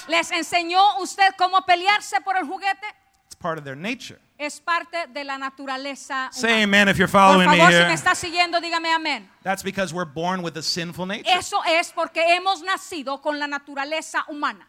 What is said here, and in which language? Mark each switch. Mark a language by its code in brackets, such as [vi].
[es] ¿Les enseñó usted cómo pelearse por el juguete? [en] It's part of their nature. [es] Es parte de la naturaleza. [en] Say amen if you're following me here. [es] Por favor, si me está siguiendo, dígame amén. [en] That's because we're born with a sinful nature. [es] Eso es porque hemos nacido con la naturaleza humana.